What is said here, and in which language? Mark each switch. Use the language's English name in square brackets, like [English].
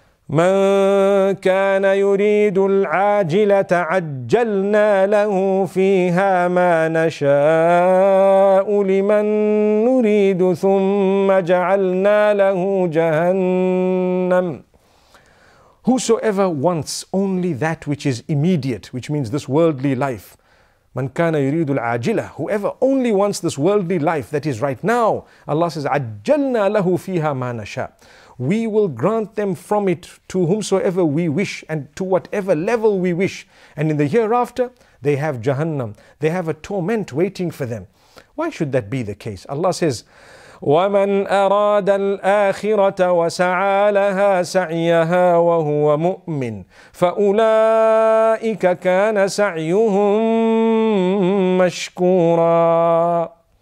[Arabic] مَنْ كَانَ يُرِيدُ الْعَاجِلَةَ عَجَّلْنَا لَهُ فِيهَا مَا نَشَاءُ لِمَنْ نُرِيدُ ثُمَّ جَعَلْنَا لَهُ جَهَنَّمُ. [English] Whosoever wants only that which is immediate, which means this worldly life. [Arabic] مَنْ كَانَ يُرِيدُ الْعَاجِلَةَ. [English] Whoever only wants this worldly life, that is right now. Allah says, [Arabic] عَجَّلْنَا لَهُ فِيهَا مَا نَشَاءُ. [English] We will grant them from it to whomsoever we wish and to whatever level we wish. And in the hereafter, they have Jahannam. They have a torment waiting for them. Why should that be the case? Allah says, [Arabic] وَمَنْ أَرَادَ الْآخِرَةَ وَسَعَى لَهَا سَعْيَهَا وَهُوَ مُؤْمِنٌ فَأُولَٰئِكَ كَانَ سَعْيُهُمْ مَشْكُورًا.